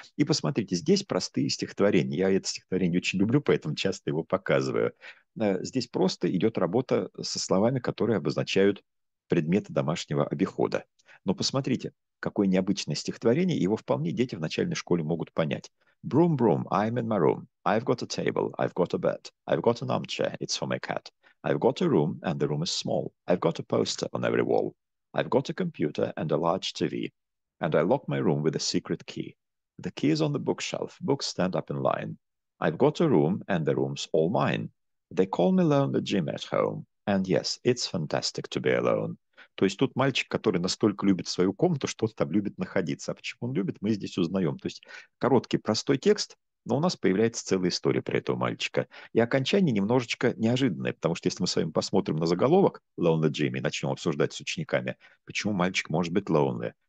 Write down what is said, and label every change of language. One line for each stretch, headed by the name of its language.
Russian: И посмотрите, здесь простые стихотворения. Я это стихотворение очень люблю, поэтому часто его показываю. Здесь просто идет работа со словами, которые обозначают предметы домашнего обихода. Но посмотрите, какое необычное стихотворение. Его вполне дети в начальной школе могут понять.
English: Broom, broom, I'm in my room. I've got a table, I've got a bed. I've got an armchair, it's for my cat. I've got a room, and the room is small. I've got a poster on every wall. I've got a computer and a large TV. And I lock my room with a secret key. The key is on the bookshelf, books stand up in line. I've got a room, and the room's all mine. They call me Lonely Jim at home. And yes, it's fantastic to be alone.
Russian: То есть тут мальчик, который настолько любит свою комнату, что он там любит находиться. А почему он любит, мы здесь узнаем. То есть короткий, простой текст, Но у нас появляется целая история про этого мальчика. И окончание немножечко неожиданное, потому что если мы с вами посмотрим на заголовок «Lonely Jimmy» и начнем обсуждать с учениками, почему мальчик может быть lonely?